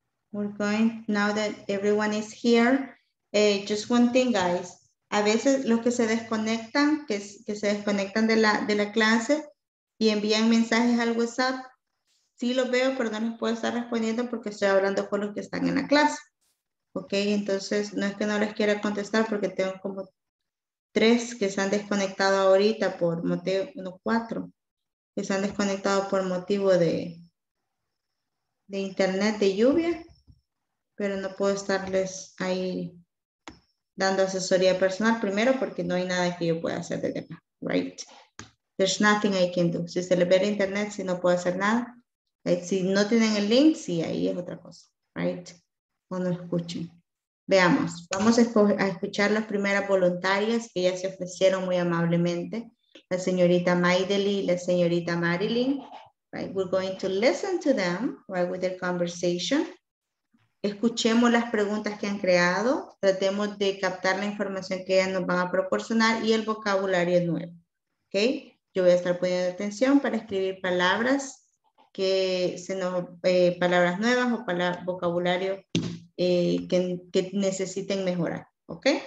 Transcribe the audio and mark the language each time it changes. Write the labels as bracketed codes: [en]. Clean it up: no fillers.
[en] We're going, now that everyone is here, just one thing, guys. [es] A veces los que se desconectan, que se desconectan de la clase y envían mensajes al WhatsApp, sí los veo, pero no les puedo estar respondiendo porque estoy hablando con los que están en la clase. Ok, entonces no es que no les quiera contestar porque tengo como 3 que se han desconectado ahorita por motivo, no 4, que se han desconectado por motivo de internet, de lluvia, pero no puedo estarles ahí dando asesoría personal, primero porque no hay nada que yo pueda hacer desde acá, right? [en] There's nothing I can do. [es] Si se les ve el internet, si no puedo hacer nada, si no tienen el link, sí, ahí es otra cosa, right? Cuando escuchen. Veamos, vamos a escuchar las primeras voluntarias que ya se ofrecieron muy amablemente, la señorita Maideli y la señorita Marilyn, right? [en] We're going to listen to them, right, with their conversation. [es] Escuchemos las preguntas que han creado, tratemos de captar la información que ellas nos van a proporcionar y el vocabulario nuevo, ¿ok? Yo voy a estar poniendo atención para escribir palabras que se nos, palabras nuevas o palabras, vocabulario que necesiten mejorar, ¿ok?